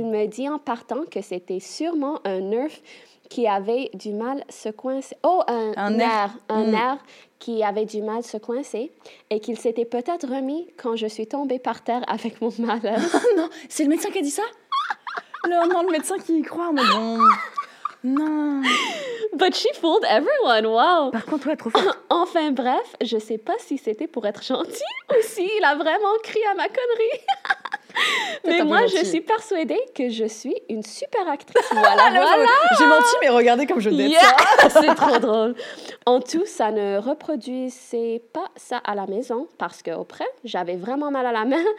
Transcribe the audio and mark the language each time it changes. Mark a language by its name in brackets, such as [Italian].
[French] Il me dit en partant que c'était sûrement un nerf qui avait du mal se coincer. Oh, un nerf qui avait du mal se coincer et qu'il s'était peut-être remis quand je suis tombée par terre avec mon malheur. Non, c'est le médecin qui a dit ça? Non, le médecin qui y croit, mais bon. Non. [English] But she fooled everyone, wow. [French] Par contre, ouais, trop fort. Enfin, bref, je sais pas si c'était pour être gentil ou s'il a vraiment crié à ma connerie. Mais moi, je suis persuadée que je suis une super actrice. Voilà, voilà. J'ai menti, mais regardez comme je déteste. Yeah, c'est trop drôle. En tout, ça ne reproduisait pas ça à la maison, parce qu'auprès, j'avais vraiment mal à la main.